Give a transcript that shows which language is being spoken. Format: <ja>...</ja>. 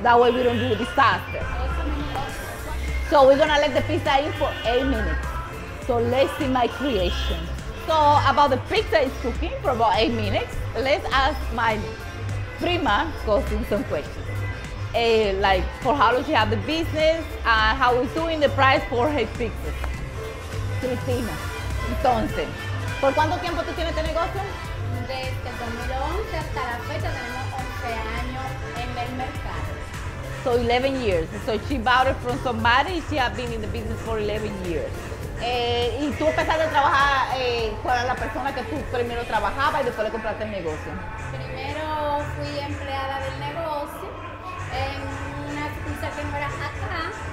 <en>That way we don't do a disaster. So we're gonna let the pizza in for 8 minutes. So let's see my creation. So about the pizza is cooking for about 8 minutes. Let's ask my prima costing some questions. Like for how long she have the business, how we doing the price for her pizza.</en> <es>Cristina, entonces, ¿por cuánto tiempo tú tienes este negocio? Desde 2011 hasta la fecha tenemos 11 años en el mercado.</es> <en>So 11 years. So she bought it from somebody. She has been in the business for 11 years. ¿Y tú empezaste a trabajar, cuál era la persona que tú primero trabajabas y después le compraste el negocio? Primero fui empleada del negocio en una pizza que no era acá.</en>